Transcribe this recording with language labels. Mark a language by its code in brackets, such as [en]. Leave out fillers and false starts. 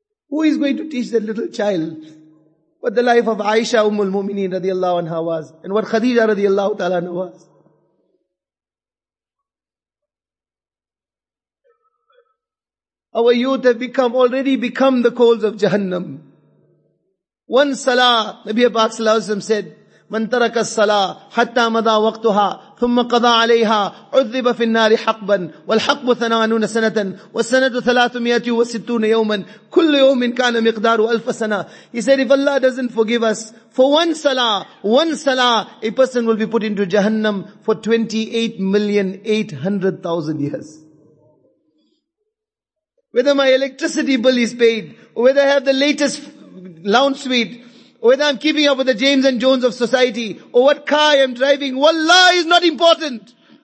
[en] Who is going to teach that little child what the life of Aisha Ummul Mumineen radiallahu anha was, and what Khadija radiallahu ta'ala anha was? Our youth have already become the coals of Jahannam. One salah, Nabi Abbas Sallallahu Alaihi Wasallam said, [ar] من ترك الصلاة حتى مضى وقتها ثم قضى عليها عذب في النار حقبا والحقب 80 سنة والسنة 360 يوما كل يوم كان مقدار 1000 سنة. [en] He said, if Allah doesn't forgive us for one salah, a person will be put into Jahannam for 28,800,000 years. Whether my electricity bill is paid, or whether I have the latest lounge suite, whether I'm keeping up with the James and Jones of society, or what car I'm driving, wallah is not important.